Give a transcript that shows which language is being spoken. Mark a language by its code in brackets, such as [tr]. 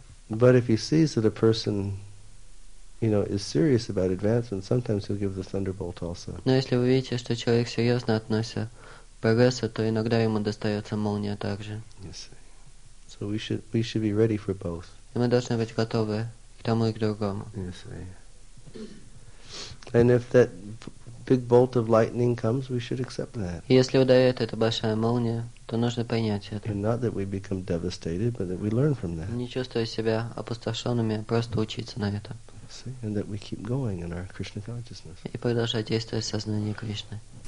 [en] But if he sees that a person, you know, is serious about advancement, sometimes he'll give the thunderbolt also. [ru] Но если вы видите, что человек серьезно относится прогресса, то иногда ему достается молния также. [en] So we should be ready for both. [ru] И мы должны быть готовы к тому и к другому. [en] And if that big bolt of lightning comes, we should accept that. [ru] Если ударяет эта большая молния, то нужно принять это. [en] And not that we become devastated, but that we learn from that. [ru] Не чувствуя себя опустошенными, просто учиться на этом. [en] And that we keep going in our Krishna consciousness. [ru] И продолжать действовать в сознании Кришны.